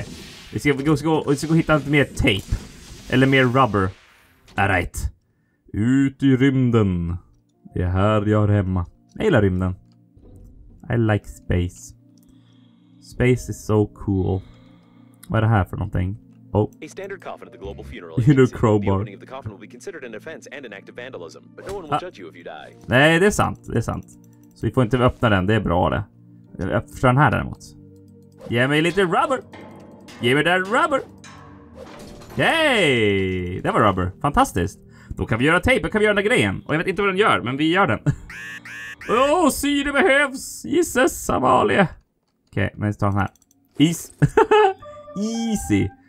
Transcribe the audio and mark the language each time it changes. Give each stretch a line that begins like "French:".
Swedish: Okay. Vi ska gå hitta lite mer tape. Eller mer rubber.
English: All right.
Swedish: Ut i rymden. Det är här jag är hemma. Jag gillar rymden.
English: I like space. Space is so cool.
Swedish: Vad är det här för någonting?
English: Oh. A standard coffin at the global funeral. You know, crowbar. The opening of the coffin will be considered an offense and an act of vandalism, but no one will judge you if you die.
Swedish: Nej, det är sant. Det är sant. Så vi får inte öppna den. Det är bra det. Jag förstår den här däremot. Ge mig lite rubber. Ge mig där rubber. Yay! Det var rubber. Fantastiskt. Då kan vi göra tape. Då kan vi göra den grejen. Och jag vet inte vad den gör, men vi gör den. Åh, oh, syre behövs. Jesus, Amalia. Okej, okay, men vi tar den här. Is. Easy.